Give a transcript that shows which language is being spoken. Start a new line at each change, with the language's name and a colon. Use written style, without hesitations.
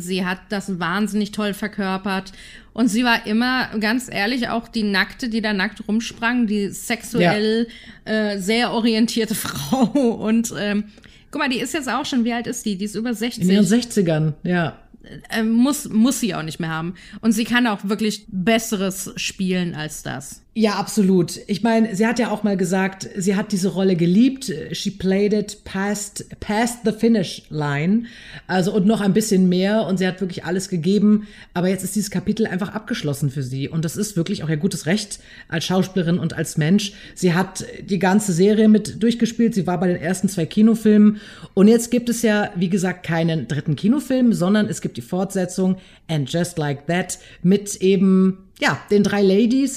German: Sie hat das wahnsinnig toll verkörpert. Und sie war immer, ganz ehrlich, auch die Nackte, die da nackt rumsprang, die sexuell sehr orientierte Frau. Und guck mal, die ist jetzt auch schon, wie alt ist die? Die ist über 60. In ihren 60ern, ja. Muss sie auch nicht mehr haben. Und sie kann auch wirklich Besseres spielen als das. Ja, absolut. Ich meine, sie hat ja auch mal gesagt, sie hat diese Rolle geliebt.
English: She played it past the finish line.
German: Also und noch ein bisschen mehr. Und sie hat wirklich alles gegeben. Aber jetzt ist dieses Kapitel einfach abgeschlossen für sie. Und das ist wirklich auch ihr gutes Recht als Schauspielerin und als Mensch. Sie hat die ganze Serie mit durchgespielt. Sie war bei den ersten 2 Kinofilmen. Und jetzt gibt es ja, wie gesagt, keinen dritten Kinofilm, sondern es gibt die Fortsetzung And Just Like That mit eben ja, den 3 Ladies.